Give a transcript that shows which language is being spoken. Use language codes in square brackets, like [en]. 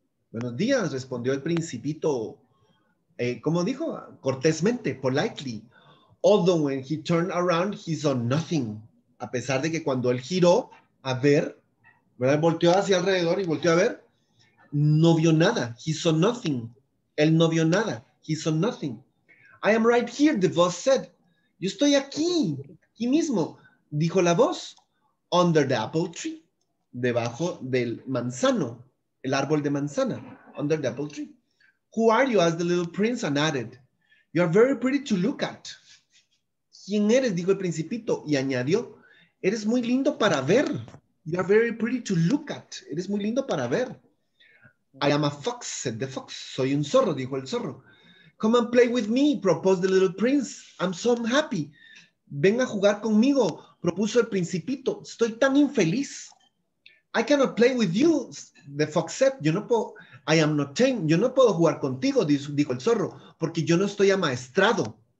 [es] Buenos días, respondió el principito. ¿Cómo dijo? Cortésmente, [en] politely. Although when he turned around, he saw nothing. [es] A pesar de que cuando él giró a ver, ¿verdad? Volteó hacia alrededor y volteó a ver, no vio nada. [en] He saw nothing. [es] Él no vio nada. [en] He saw nothing. I am right here, the voice said. [es] Yo estoy aquí, aquí mismo, dijo la voz. [en] Under the apple tree, [es] debajo del manzano, el árbol de manzana, [en] under the apple tree. Who are you? Asked the little prince and added, you are very pretty to look at. [es] ¿Quién eres? Dijo el principito y añadió, eres muy lindo para ver. [en] You are very pretty to look at. [es] Eres muy lindo para ver. [en] I am a fox, said the fox. [es] Soy un zorro, dijo el zorro. [en] Come and play with me, proposed the little prince. I'm so unhappy. [es] Ven a jugar conmigo, propuso el principito. Estoy tan infeliz. [en] I cannot play with you, the fox said. [es] Yo no puedo, [en] I am not tame. [es] Yo no puedo jugar contigo, dijo el zorro, porque yo no estoy amaestrado.